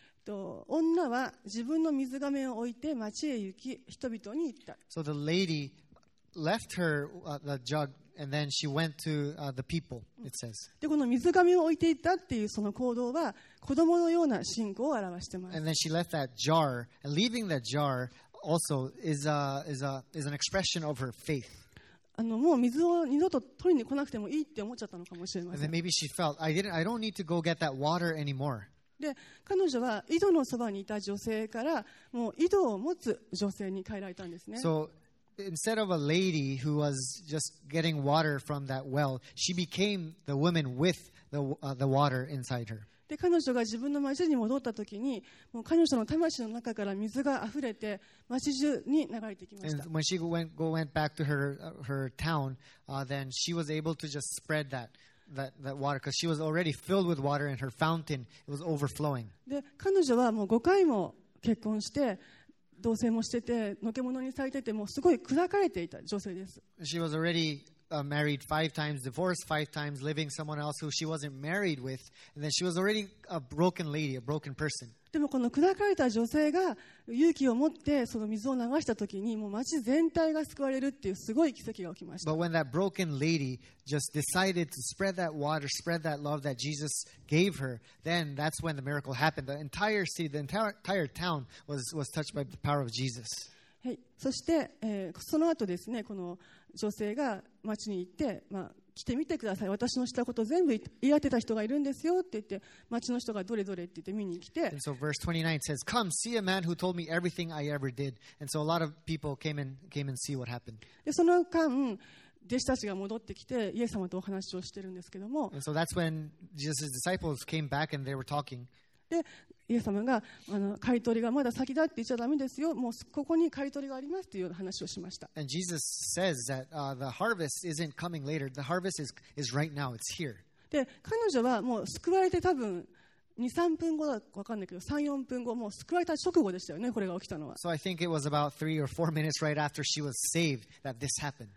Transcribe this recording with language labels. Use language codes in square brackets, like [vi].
[ja] 女は自分の水がめを置いて町へ行き人々に言った。 [en] So the lady left her the jug and then she went to the people it says、 [ja] うん、でこの水がめを置いていったっていうその行動は子供のような信仰を表してます。 [en] And then she left that jar and leaving that jarAlso is a is an expression of her faith. [ja] もう水を二度と取りに来なくてもいいって思っちゃったのかもしれません。 [en] And then maybe she felt I don't need to go get that water anymore. [ja] で、彼女は井戸のそばにいた女性からもう井戸を持つ女性に変えられたんですね。 [en] So instead of a lady who was just getting water from that well, she became the woman with the water inside her. [ja] で彼女が自分の町に戻ったときに、もう彼女の魂の中から水が溢れて町中に流れてきました。 [en] And when she went back to her town, then she was able to just spread that water because she was already filled with water and her fountain it was overflowing. [ja] で彼女はもう5回も結婚して同棲もしててのけ者にされててもうすごい砕かれていた女性です。 [en] She was alreadymarried five times, divorced five times, living someone else who she wasn't married with, and then she was already a broken lady, a broken person. [ja] でもこの砕かれた女性が勇気を持ってその水を流した時にもう町全体が救われるっていうすごい奇跡が起きました。 [en] But when that broken lady just decided to spread that water, spread that love that Jesus gave her, then that's when the miracle happened. The entire city, the entire town was touched by the power of Jesus. [ja] はい、そして、その後ですね、この女性が町に行って、まあ来てみてください、私のしたこと全部言い当てた人がいるんですよって言って、町の人がどれどれって言って見に来て、 [en] and so verse 29 says, come see a man who told me everything I ever did. And so a lot of people came and see what happened. [ja] でその間弟子たちが戻ってきてイエス様とお話をしてるんですけども、 [en] and so that's when Jesus' disciples came back and they were talking. [ja] でイエス様が、あの、買い取りがまだ先だって言っちゃダメですよ、もうここに買い取りがありますという話をしました。 [en] And Jesus says that, the harvest isn't coming later. The harvest is right now. It's here. [ja] で、彼女はもう救われて多分2、3分後だか分かんないけど、3、4分後、もう救われた直後でしたよね、これが起きたのは。 [en] So I think it was about 3 or 4 minutes right after she was saved that this happened.